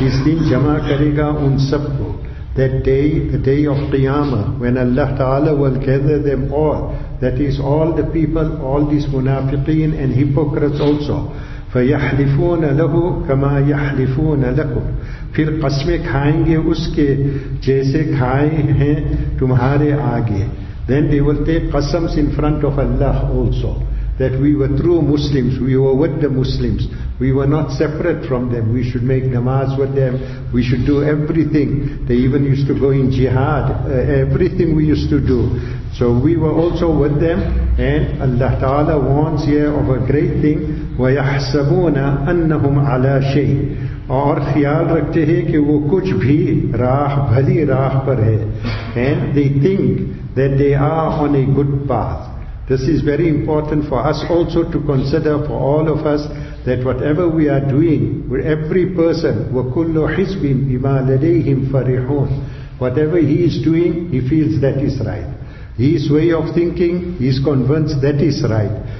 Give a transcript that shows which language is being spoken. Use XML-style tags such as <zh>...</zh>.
<ur>His din jama karega un sabko.</ur> <en>That day, the day of Qiyamah, when Allah Ta'ala will gather them all, that is all the people, all these munafiqeen and hypocrites also,</en> <ar>فَيَحْلِفُونَ لَهُ كَمَا يَحْلِفُونَ لَكُمْ.</ar> <ur>پھر قسمیں کھائیں گے اس کے جیسے کھائے ہیں تمہارے آگے.</ur> <en>Then they will take قسمس in front of Allah also, that we were true Muslims, we were with the Muslims, we were not separate from them, we should make namaz with them, we should do everything. They even used to go in jihad, everything we used to do. So we were also with them, and Allah Ta'ala warns here of a great thing,</en> <ar>وَيَحْسَبُونَ أَنَّهُمْ عَلَى شَيْءٍ.</ar> <ur>اور خیال رکھتے ہیں کہ وہ کچھ بھی راہ بھلی راہ پر ہے.</ur> <en>And they think that they are on a good path. This is very important for us also to consider, for all of us, that whatever we are doing, with every person,</en> <ar>وَكُلُّ حِزْبٍ بِمَا لَدَيْهِمْ فَرِحُونَ.</ar> <en>Whatever he is doing, he feels that is right. His way of thinking, he is convinced that is right.</en>